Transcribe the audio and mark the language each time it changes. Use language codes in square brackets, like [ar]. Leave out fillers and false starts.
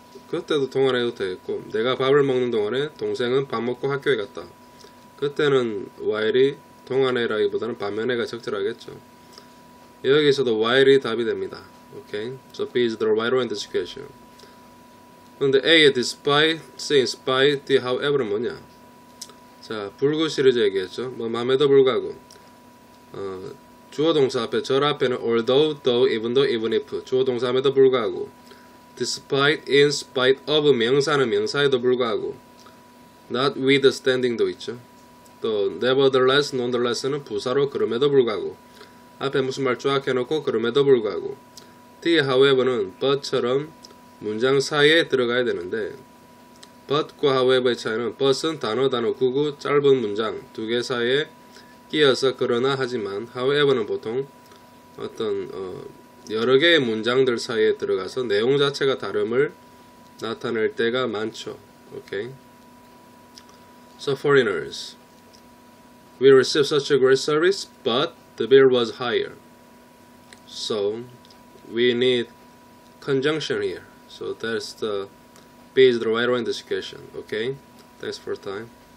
[ko] 그때도 동안에도 되겠고 내가 밥을 먹는 동안에 동생은 밥 먹고 학교에 갔다. 그때는 while이 동안에라기보다는 반면에가 적절하겠죠. 여기서도 while이 답이 됩니다. [en] Okay. So B is the right one in the situation. [ko] 근데 A의 despite, C in spite, D however는 뭐냐? 자, 불구 시리즈 얘기했죠. 뭐, 맘에도 불구하고. 주어 동사 앞에, 절 앞에는 although, though, even though, even if. 주어 동사함에도 불구하고. despite, in spite of 명사는 명사에도 불구하고. notwithstanding도 있죠. 또, nevertheless, nonetheless는 부사로 그럼에도 불구하고. 앞에 무슨 말 쫙 해놓고 그럼에도 불구하고 뒤에 however는 but처럼 문장 사이에 들어가야 되는데 but과 however의 차이는 but은 단어 단어 구구 짧은 문장 두 개 사이에 끼어서 그러나 하지만 however는 보통 어떤 여러 개의 문장들 사이에 들어가서 내용 자체가 다름을 나타낼 때가 많죠. [en] Okay. So foreigners, we receive such a great service, but the bill was higher. So we need conjunction here. So that's the B is the right one in this question. Okay? Thanks for time.